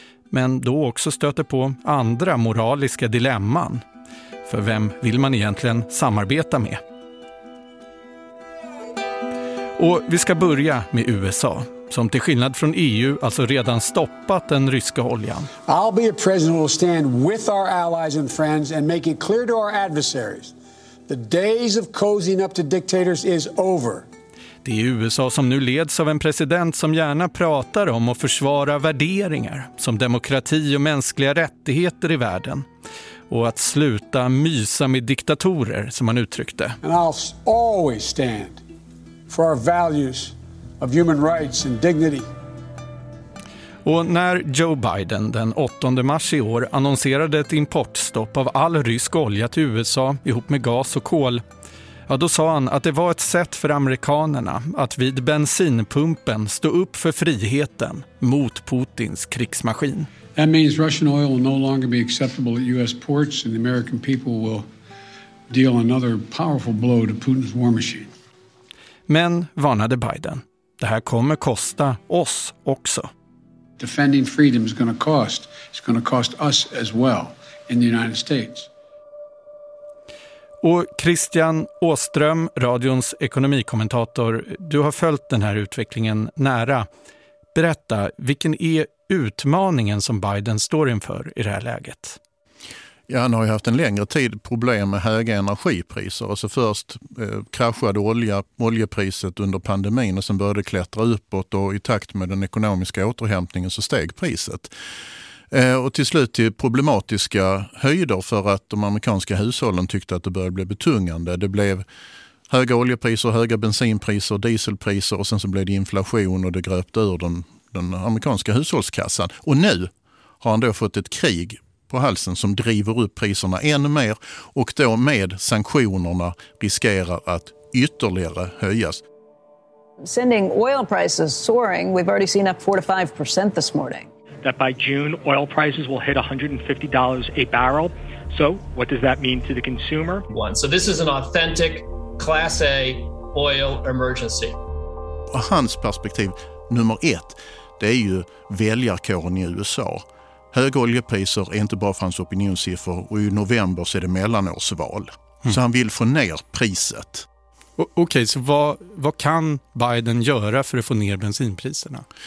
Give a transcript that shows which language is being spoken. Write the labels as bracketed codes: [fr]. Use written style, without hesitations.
[sv] Men då också stöter på andra moraliska dilemman. För vem vill man egentligen samarbeta med? Och vi ska börja med USA, som till skillnad från EU alltså redan stoppat den ryska oljan. [en] I'll be a president who will stand with our allies and friends and make it clear to our adversaries. The days of cozying up to dictators is over. [sv] Det är USA som nu leds av en president som gärna pratar om och försvarar värderingar som demokrati och mänskliga rättigheter i världen och att sluta mysa med diktatorer, som han uttryckte. [en] And I'll always stand for our values of human rights and dignity. [sv] Och när Joe Biden den 8 mars i år annonserade ett importstopp av all rysk olja till USA ihop med gas och kol, ja, då sa han att det var ett sätt för amerikanerna att vid bensinpumpen stå upp för friheten mot Putins krigsmaskin. [en] That means Russian oil will no longer be acceptable at US ports and the American people will deal another powerful blow to Putin's war machine. [sv] Men varnade Biden, det här kommer kosta oss också. [en] Defending freedom is going to cost. It's going to cost us as well in the United States. [sv] Och Christian Åström, radions ekonomikommentator, du har följt den här utvecklingen nära. Berätta, vilken är utmaningen som Biden står inför i det här läget? Ja, han har ju haft en längre tid problem med höga energipriser. Alltså först kraschade oljepriset under pandemin och sen började klättra uppåt, och i takt med den ekonomiska återhämtningen så steg priset. Och till slut till problematiska höjder för att de amerikanska hushållen tyckte att det började bli betungande. Det blev höga oljepriser, höga bensinpriser, dieselpriser och sen så blev det inflation och det gröpte ur den amerikanska hushållskassan. Och nu har han då fått ett krig på halsen som driver upp priserna ännu mer och då med sanktionerna riskerar att ytterligare höjas. [en] Sending oil prices soaring. We've already seen up 4-5% this morning. That by June oil prices will hit $150 a barrel. So, what does that mean to the consumer? One. So this is an authentic class A oil emergency. [sv] Och hans perspektiv nummer ett, det är ju väljarkåren i USA. Höga oljepriser är inte bara för hans opinionssiffror och i november så är det mellanårsval. Mm. Så han vill få ner priset. Okej, så vad kan Biden göra för att få ner bensinpriserna?